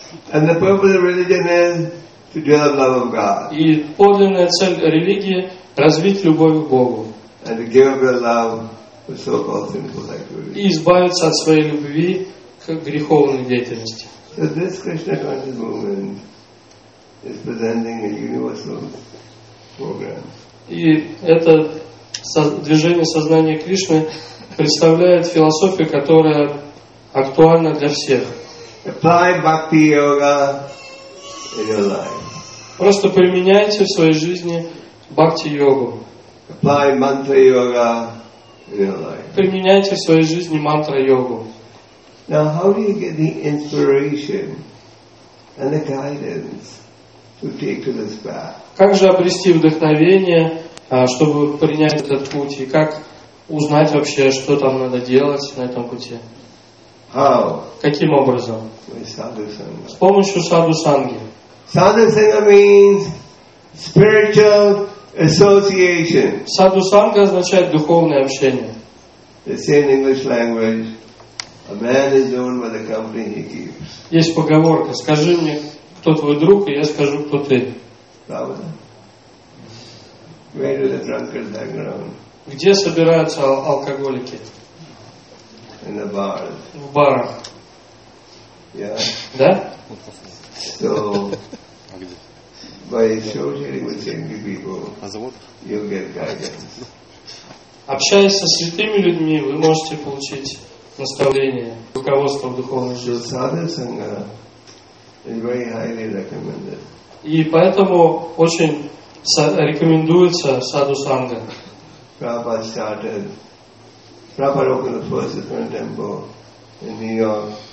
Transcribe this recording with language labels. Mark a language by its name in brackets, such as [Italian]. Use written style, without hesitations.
[English] And the purpose of religion is to develop love of God. [Russian] И подлинная цель религии — развить любовь к Богу. [English] And to give up your love to so-called sinful activity. [Russian] И избавиться от своей любви к греховной деятельности. [English] So this Krishna conscious movement is presenting a universal program. [Russian] И это движение сознания Кришны представляет философию, которая актуальна для всех. [English] Apply bhakti yoga in your life. [Russian] Просто применяйте в своей жизни бхакти йогу. [English] Apply mantra yoga in your life. [Russian] Применяйте в своей жизни мантра йогу. [English] Now, how do you get the inspiration and the guidance to take to this path? [Russian] Как же обрести вдохновение, чтобы принять этот путь, и как узнать вообще, что там надо делать на этом пути? [English] How? [Russian] Каким образом? С помощью саду санги. [English] Саду санга means spiritual association. [Russian] Саду санга означает духовное общение. [English] The same English language. A man is known by the company he keeps. [Russian] Есть поговорка: скажи мне, кто твой друг, и я скажу, кто ты. Правда? [English] Where do the drunkards hang around? [Russian] Где собираются алкоголики? [English] In the bar. [Russian] В барах. [English] Yeah. [Russian] Да? [English] So, by associating with saintly people, you'll get guidance. [Russian] Общаясь со святыми людьми, вы можете получить наставление, руководство в духовной жизни. [English] So, sadhu sangha is very highly recommended. [Russian] И поэтому очень рекомендуется саду санга. [English] Prabhupada started. Prabhupada opened the first Iskcon temple in New York.